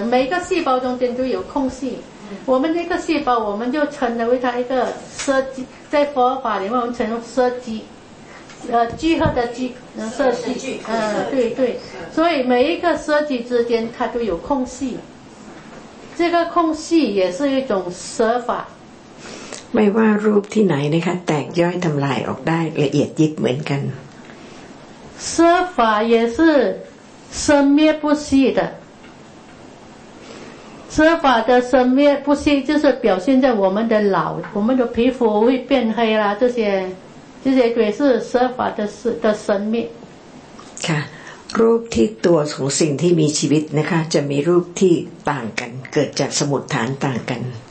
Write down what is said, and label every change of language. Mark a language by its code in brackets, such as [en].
[zh] 每个细胞中间都有空隙，我们那个细胞我们就称得为它一个色基，在佛法里面我们称色基，聚合的聚，色基，对对，所以每一个色基之间它都有空隙。这个空隙也是一种色法 [th] ไม่ว่ารูปที่ไหนนะคะแตกย่อยทำลายออกได้ละเอียดยิบเหมือนกัน [zh] 色法也是生灭不息的色法的生灭不息就是表现在我们的老我们的皮肤会变黑啦这些也是色法的生灭 [th] ค่ะรูปที่ตัวของสิ่งที่มีชีวิตนะคะจะมีรูปที่ต่างกันเกิดจากสมุฏฐานต่างกัน